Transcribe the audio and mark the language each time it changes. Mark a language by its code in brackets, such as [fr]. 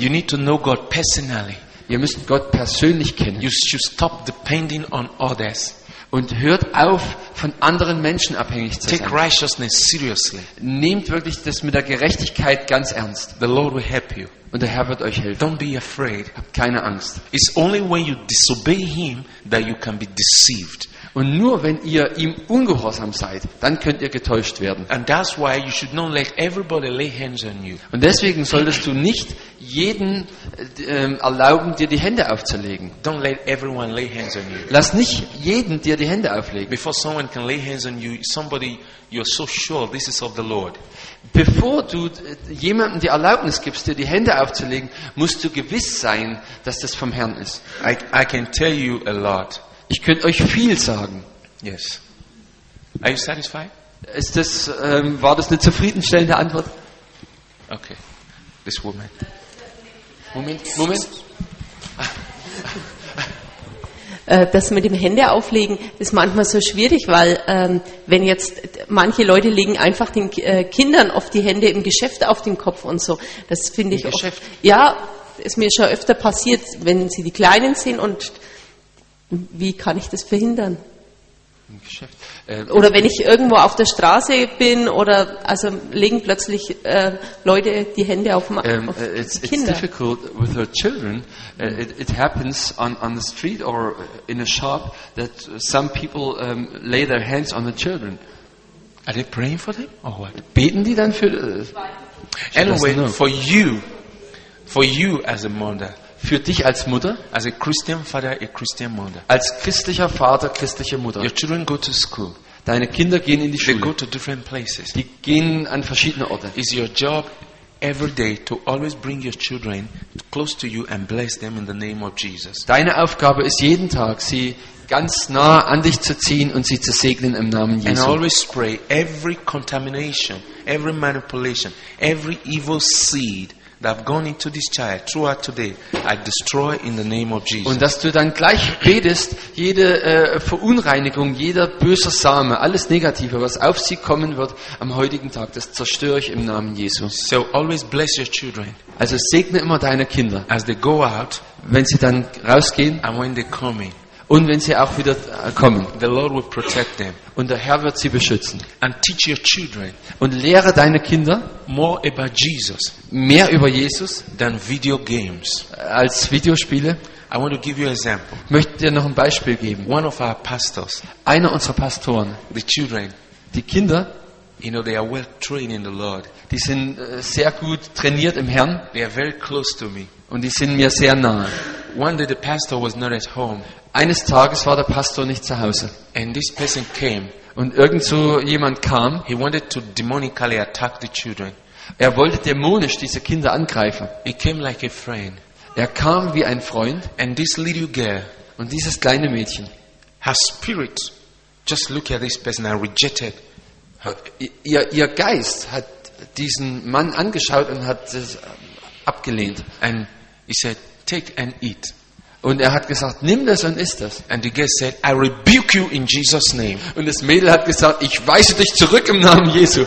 [en] You need to know God personally. [de] Ihr müsst Gott persönlich kennen. [en] You should stop depending on others. [de] Und hört auf, von anderen Menschen abhängig zu sein. [en] Take righteousness seriously. [de] Nehmt wirklich das mit der Gerechtigkeit ganz ernst. [en] The Lord will help you. [de] Und der Herr wird euch helfen. [en] Don't be afraid. [de] Habt keine Angst. [en] It's only when you disobey him that you can be deceived. [de] Und nur wenn ihr ihm ungehorsam seid, dann könnt ihr getäuscht werden. [en] And that's why you should not let everybody lay hands on you. [de] Und deswegen solltest du nicht jeden erlauben, dir die Hände aufzulegen. [en] Don't let everyone lay hands on you. [de] Lass nicht jeden dir die Hände auflegen. [en] Before someone can lay hands on you, somebody you're so sure this is of the Lord. [de] Bevor du jemandem die Erlaubnis gibst, dir die Hände aufzulegen, musst du gewiss sein, dass das vom Herrn ist. [en] I can tell you a lot. [de] Ich könnte euch viel sagen. [en] Yes. Are you satisfied? [de] Ist das war das eine zufriedenstellende Antwort? [en] Okay. This woman. [de] Moment. Das mit dem Hände auflegen ist manchmal so schwierig, weil wenn jetzt manche Leute legen einfach den Kindern oft die Hände im Geschäft auf den Kopf und so. Das finde ich Geschäft. Oft. Ja, ist mir schon öfter passiert, wenn sie die Kleinen sehen und wie kann ich das verhindern? Im Geschäft. Oder wenn ich irgendwo auf der Straße bin oder also legen plötzlich Leute die Hände auf die Kinder. [en] It's difficult with her children. It happens on the street or in a shop that some people lay their hands on the children. Are they praying for them or what? [de] Beten die dann für? [en] Anyway, for you as a mother. [de] Für dich als Mutter, [en] as a Christian father, a Christian mother. [de] Als christlicher Vater, christliche Mutter. [en] Your children go to school. [de] Deine Kinder gehen in die Schule. [en] They go to different places. [de] Die gehen an verschiedene Orte. [en] It's your job every day to always bring your children close to you and bless them in the name of Jesus. [de] Deine Aufgabe ist jeden Tag, sie ganz nah an dich zu ziehen und sie zu segnen im Namen Jesu. [en] And always pray every contamination, every manipulation, every evil seed that have gone into this child throughout today, I destroy in the name of Jesus. [de] Und dass du dann gleich betest, jede Verunreinigung, jeder böser Same, alles Negative, was auf sie kommen wird am heutigen Tag, das zerstöre ich im Namen Jesu. [en] So always bless your children. [de] Also segne immer deine Kinder. [en] As they go out, [de] wenn sie dann rausgehen, [en] and when they come in, [de] und wenn sie auch wieder kommen, [en] the Lord will protect them. [de] Und der Herr wird sie beschützen. [en] And teach your children, [de] und lehre deine Kinder [en] more about Jesus, [de] mehr über Jesus [en] than video games, [de] als Videospiele. [en] I want to give you an example. [de] Ich möchte dir noch ein Beispiel geben. [en] One of our pastors, [de] einer unserer Pastoren, [en] the children, [de] die Kinder, [en] you know, they are well trained in the Lord. [de] Die sind sehr gut trainiert im Herrn. [en] They are very close to me. [de] Und die sind mir sehr nahe. [en] One day the pastor was not at home. [de] Eines Tages war der Pastor nicht zu Hause. [en] And this person came. [de] Und irgend so jemand kam. [en] He wanted to demonically attack the children. [de] Er wollte dämonisch diese Kinder angreifen. [en] He came like a friend. [de] Er kam wie ein Freund. [en] And this little girl. [de] Und dieses kleine Mädchen. [en] Her spirit, just look at this person, and rejected. [de] Ihr Geist hat diesen Mann angeschaut und hat es abgelehnt. [en] And he said, take and eat. [de] Und er hat gesagt, nimm das und iss das. [en] And the girl said, I rebuke you in Jesus' name. [de] Und das Mädel hat gesagt, ich weise dich zurück im Namen Jesu.